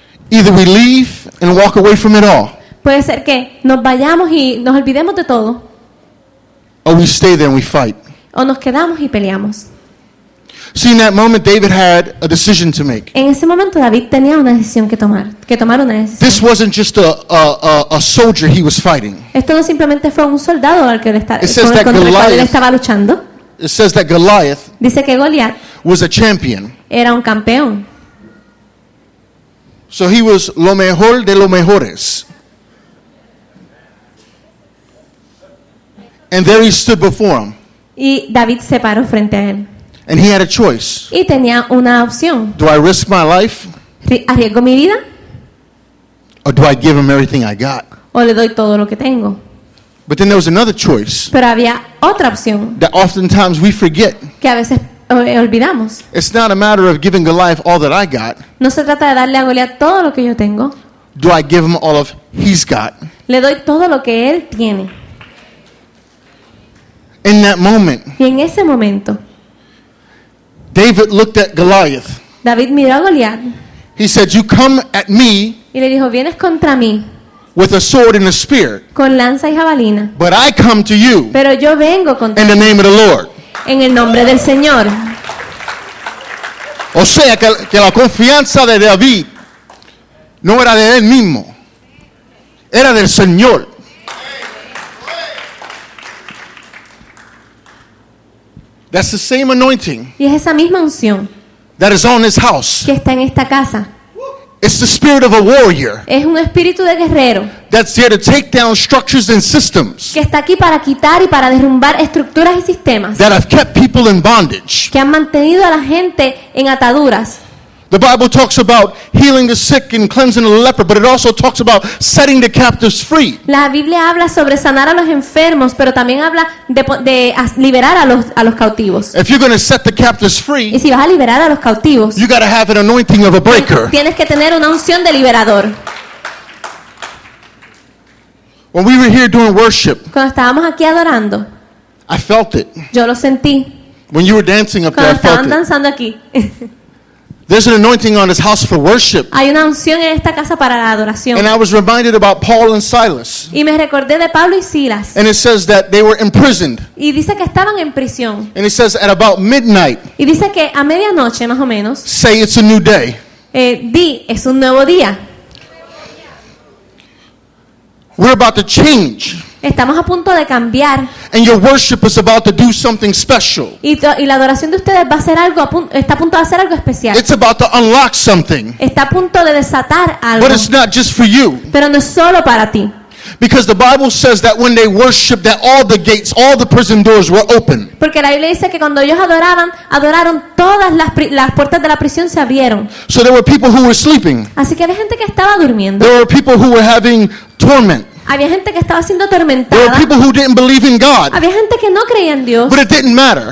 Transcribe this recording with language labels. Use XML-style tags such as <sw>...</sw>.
<en>Either we leave and walk away from it all.</en> <es>Puede ser que nos vayamos y nos olvidemos de todo.</es> <en>Or we stay there and we fight.</en> <es>O nos quedamos y peleamos.</es> <en>See, in that moment, David had a decision to make.</en> <es>En ese momento, David tenía una decisión que tomar una decisión.</es> <en>This wasn't just a soldier he was fighting.</en> <es>Esto no simplemente fue un soldado al que él estaba luchando.</es> <en>It says that Goliath,</en> <es>dice que Goliath</es> <en>was a champion.</en> <es>Era un campeón.</es> <en>So he was</en> <es>lo mejor de los mejores.</es> <en>And there he stood before him.</en> <es>Y David se paró frente a él.</es> <en>And he had a choice.</en> <es>Y tenía una opción.</es> <en>Do I risk my life?</en> <es>¿Arriesgo mi vida?</es> <en>Or do I give him everything I got?</en> <es>O le doy todo lo que tengo.</es> <en>But then there was another choice.</en> <es>Pero había otra opción.</es> <en>That oftentimes we forget.</en> <es>Que a veces olvidamos.</es> <en>It's not a matter of giving Goliath all that I got.</en> <es>No se trata de darle a Goliath todo lo que yo tengo.</es> <en>Do I give him all of he's got?</en> <es>Le doy todo lo que él tiene.</es> <en>In that moment.</en> <es>Y en ese momento.</es> <en>David looked at Goliath.</en> <es>David miró a Goliath.</es> <en>He said, "You come at me."</en> <es>Y le dijo, "Vienes contra mí."</es> <en>With a sword and a spear.</en> <es>Con lanza y jabalina.</es> <en>But I come to you.</en> <es>Pero yo vengo contigo.</es> <en>In the name of the Lord.</en> <es>En el nombre del Señor. O sea que la confianza de David no era de él mismo. Era del Señor.</es> <en>That's the same anointing.</en> <es>Y es esa misma unción.</es> <en>That is on his house.</en> <es>Que está en esta casa.</es> <en>It's the spirit of a warrior.</en> <es>Es un espíritu de guerrero.</es> <en>That's here to take down structures and systems.</en> <es>Que está aquí para quitar y para derrumbar estructuras y sistemas.</es> <en>That have kept people in bondage.</en> <es>Que han mantenido a la gente en ataduras.</es> <en>The Bible talks about healing the sick and cleansing the leper, but it also talks about setting the captives free.</en> <es>La Biblia habla sobre sanar a los enfermos, pero también habla de liberar a los cautivos.</es> <en>If you're going to set the captives free,</en> <es>y si vas a liberar a los cautivos,</es> <en>you got to have an anointing of a breaker.</en> <es>Tienes que tener una unción de liberador.</es> <en>When we were here doing worship,</en> <es>cuando estábamos aquí adorando,</es> <en>I felt it.</en> <es>Yo lo sentí.</es> <en>When you were dancing up</en> <es>cuando</es> <en>there, I felt it.</en> <es>Estaban danzando aquí.</es> <en>There's an anointing on his house for worship.</en> <es>Hay una unción en esta casa para la adoración.</es> <en>And I was reminded about Paul and Silas.</en> <es>Y me recordé de Pablo y Silas.</es> <en>And it says that they were imprisoned.</en> <es>Y dice que estaban en prisión.</es> <en>And it says at about midnight.</en> <es>Y dice que a medianoche más o menos.</es> <en>Say it's a new day.</en> <es>Di es un nuevo día.</es> <en>We're about to change.</en> <es>Estamos a punto de cambiar.</es> <en>And your worship is about to do something special.</en> <es>Y la adoración de ustedes va a ser algo, está a punto de hacer algo especial.</es> <en>It's about to unlock something.</en> <es>Está a punto de desatar algo.</es> <en>But it's not just for you.</en> <es>Pero no es solo para ti.</es> <en>Because the Bible says that when they worshiped, that all the gates, all the prison doors were open.</en> <es>Porque la Biblia dice que cuando ellos adoraron todas las puertas de la prisión se abrieron.</es> <en>So there were people who were sleeping.</en> <es>Así que había gente que estaba durmiendo.</es> <en>There were people who were having torment.</en> <es>Había gente que estaba siendo atormentada. Había gente que no creía en Dios.</es> <en>But it didn't matter.</en>